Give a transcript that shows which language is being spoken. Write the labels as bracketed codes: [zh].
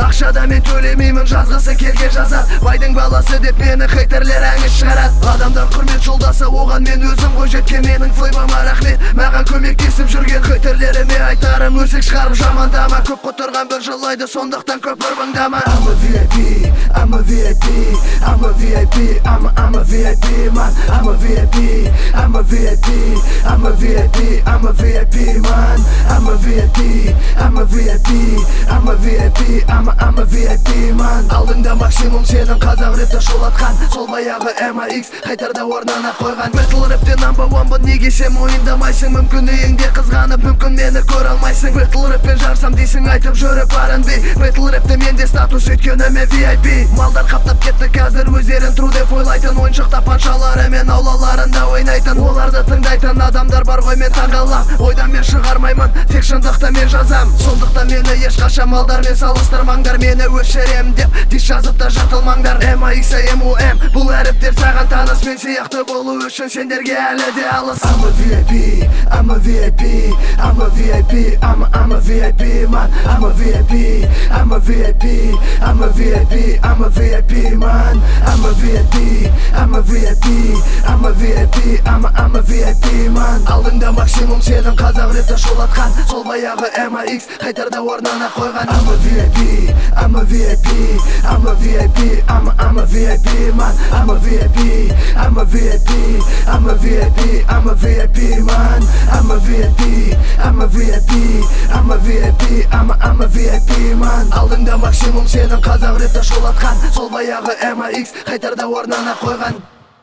[kk] Ақшада мен төлемеймін, жазғысы келген жазар. Байдың баласы деп мені хейтерлер әңіз шығарады. Адамдар құрмет жолдасы, оған мен өзім ғой жеткен. Менің флеймама рахмет, маған көмектесіп жүрген хейтерлеріме айтарым, өсек шығарып жамандама. Көп құтырған бір жылайды, сондықтан көп ұрбыңдама. [en] I'm a VIP, I'm a VIP, I'm a VIP, I'm a VIP, man, I'm a VIP, I'm a VIP, I'm a VIP, I'm a VIP, man, I'm a VIP, I'm a VIP, I'm a VIP, I'm a VIP, man. [kk] Алдында максимум сенің қазақ рэпті шулатқан сол баяғы MIX қайтарда орнына қойған. Battle rap-те number one, бұл неге сен мойындамайсың? Мүмкін үйіңде қызғанып, мүмкін мені көре алмайсың. Battle rap-пен жарсам дейсің, айтып жүріп R&B. Battle rap-те менде статус, өйткені мен VIP. Малдар қаптап кетті қазір өздерін, true деп ойлайтын. Ойыншық тапаншалары мен аулаларында ойнайтын. Оларды тыңдайтын адамдар бар ғой, мен таңғалам. Ойдан мен шығармаймын, тек шындықты мен жазам. Сондықтан мені ешқашан малдармен салыстырмаңдар. Мені өшірем деп дис жазып та жатылмаңдар. MIX-MOM, бұл әріптер саған таныс. Мен сияқты болу үшін сендерге әлі де алыс. [en] I'm a VIP, I'm a VIP, I'm a VIP, I'm a VIP, man, I'm a VIP, I'm a VIP, I'm a VIP, I'm a VIP, man, I'm a VIP, I'm a VIP, I'm a VIP, I'm a VIP, man. [kk] Алдында максимум сенің қазақ рэпті шулатқан сол баяғы MIX хейтерді орнына қойған. [en] I'm a VIP, I'm a VIP, I'm a VIP, I'm a VIP, man, I'm a VIP, I'm a VIP, I'm a VIP, I'm a VIP, man, I'm a VIP, I'm a VIP, I'm a VIP, I'm a VIP, man. [kk] Алдында максимум сенің қазақ рэпті шулатқан сол баяғы MIX хейтерді орнына қойған.